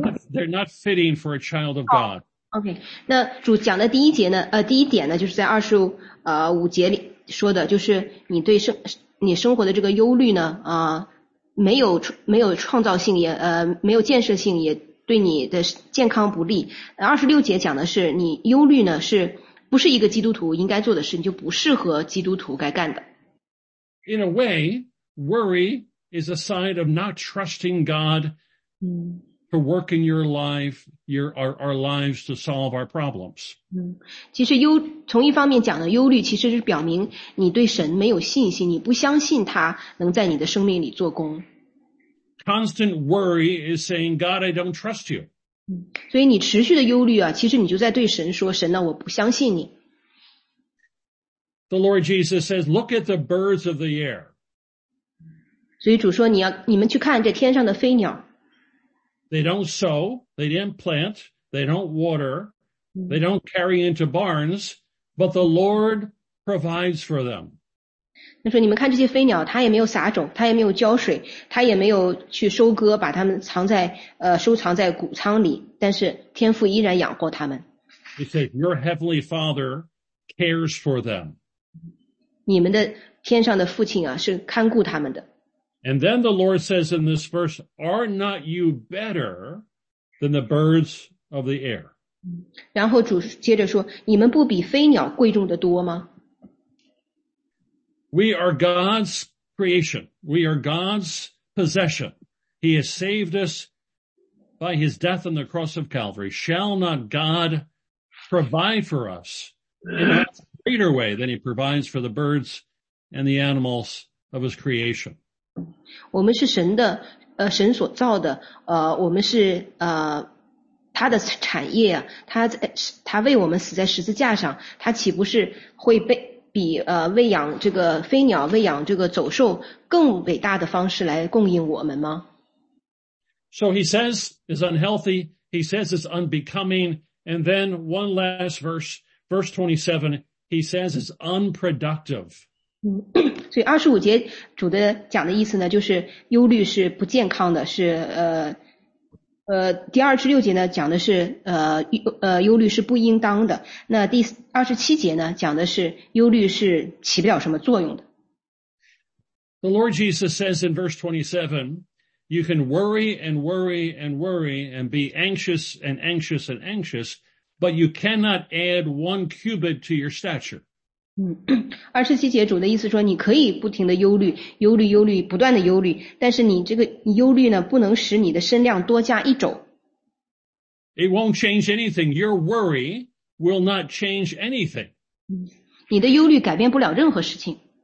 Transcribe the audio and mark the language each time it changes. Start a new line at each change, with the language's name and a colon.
English: They're not fitting for a child of God. Okay.
Chinese: 那主讲的第一节呢第一点呢就是在25节里说的，就是你生活的这个忧虑呢没有创造性，也没有建设性，也对你的健康不利。 26节讲的是你忧虑呢是不是一个基督徒应该做的事，你就不适合基督徒该干的。
English: In a way, worry is a sign of not trusting God to work in your life, our lives to solve our problems.
Chinese: 其实从一方面讲的忧虑其实是表明你对神没有信心，你不相信他能在你的生命里做工。
English: Constant worry is saying, God, I don't trust you.
Chinese: 所以你持续的忧虑啊，其实你就在对神说，神啊，我不相信你。
English: The Lord Jesus says, look at the birds of the air.
Chinese: 所以主说你们去看这天上的飞鸟。
English: They don't sow, they didn't plant, they don't water, they don't carry into barns, but the Lord provides for them.
Chinese: 他说你们看这些飞鸟，它也没有撒种，它也没有浇水，它也没有去收割，把它们收藏在谷仓里，但是天父依然养活它们。
English: He said, your heavenly father cares for them.
Chinese: 你们的天上的父亲啊，是看顾他们的。
English: And then the Lord says in this verse, are not you better than the birds of the air?
Chinese: 然后主接着说，你们不比飞鸟贵重的多吗？
English: We are God's creation. We are God's possession. He has saved us by his death on the cross of Calvary. Shall not God provide for us in a greater way than he provides for the birds and the animals of his creation?
Chinese: 我们是神的神所造的我们是他的产业，他为我们死在十字架上，他岂不是会比喂养这个飞鸟，喂养这个走兽更伟大的方式来供应我们吗？
English: So he says it's unhealthy, he says it's unbecoming, and then one last verse, verse 27, he says it's unproductive.
Chinese: 所以25节主的讲的意思呢，就是忧虑是不健康的，是第26节呢讲的是忧虑是不应当的，那第27节呢讲的是忧虑是起不了什么作用的。
English: The Lord Jesus says in verse 27, you can worry and worry and worry and be anxious and anxious and anxious, but you cannot add one cubit to your stature.
Chinese: 27节主的意思说你可以不停的忧虑忧虑忧虑不断的忧虑，但是你这个忧虑呢不能使你的身量多加一肘。
English: It won't change anything. Your worry will not change anything.
Chinese: 你的忧虑改变不了任何事情。